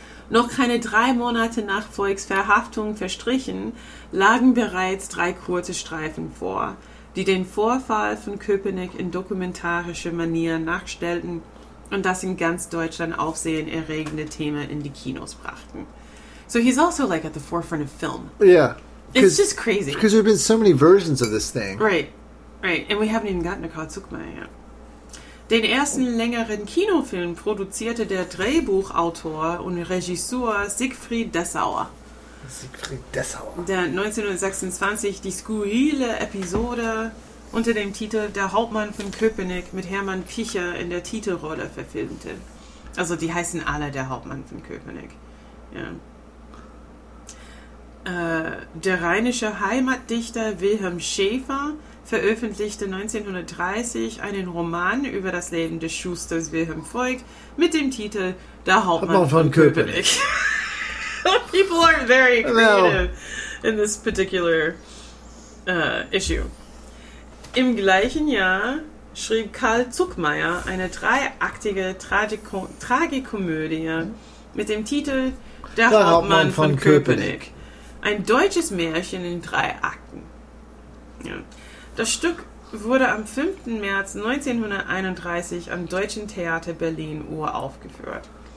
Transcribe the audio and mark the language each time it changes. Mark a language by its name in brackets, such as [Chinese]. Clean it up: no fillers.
[German] Noch keine 3 Monate nach Voigts Verhaftung verstrichen, lagen bereits 3 kurze Streifen vor, die den Vorfall von Köpenick in dokumentarischer Manier nachstellten und das in ganz Deutschland aufsehenerregende Thema in die Kinos brachten. [English] So he's also like at the forefront of film. Yeah. It's just crazy. Because there have been so many versions of this thing. Right, right. And we haven't even gotten to Karl Zuckmeier yet. [German] Den ersten längeren Kinofilm produzierte der Drehbuchautor und Regisseur Siegfried Dessauer. Siegfried Dessauer. Der 1926 die skurrile Episode unter dem Titel Der Hauptmann von Köpenick mit Hermann Fischer in der Titelrolle verfilmte. Also die heißen alle Der Hauptmann von Köpenick. Ja. Der rheinische Heimatdichter Wilhelm Schäfer veröffentlichte 1930 einen Roman über das Leben des Schusters Wilhelm Voigt mit dem Titel Der Hauptmann von Köpenick. [English] People are very creative in this particular issue. [German] Im gleichen Jahr schrieb Karl Zuckmeier eine 3-aktige Tragikomödie mit dem Titel Der Hauptmann von Köpenick. Ein deutsches Märchen in 3 Akten. Ja. Das Stück wurde am 5. März 1931 am Deutschen Theater Berlin uraufgeführt.